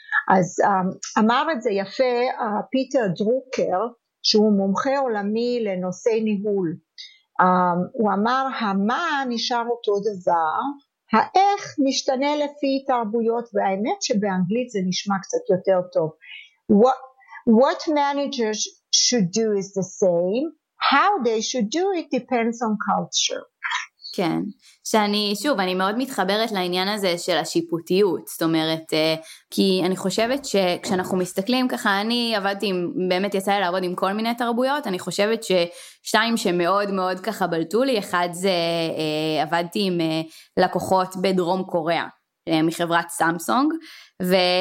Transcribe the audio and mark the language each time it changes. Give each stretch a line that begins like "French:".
Hebrew: אז אמר את זה יפה פיטר דרוקר, שהוא מומחה עולמי לנושאי ניהול. הוא אמר, המה נשאר אותו דבר, האיך משתנה לפי תרבויות, והאמת שבאנגלית זה נשמע קצת יותר טוב.
English: What managers should do is the same, how they should do it depends on culture.
Hebrew: כן, שאני, שוב, אני מאוד מתחברת לעניין הזה של השיפוטיות, זאת אומרת, כי אני חושבת שכשאנחנו מסתכלים ככה, אני עבדתי עם, באמת יצא לי לעבוד עם כל מיני תרבויות, אני חושבת ששתיים שמאוד מאוד ככה בלטו לי, אחד זה עבדתי עם לקוחות בדרום קוריאה, מחברת סמסונג, ו...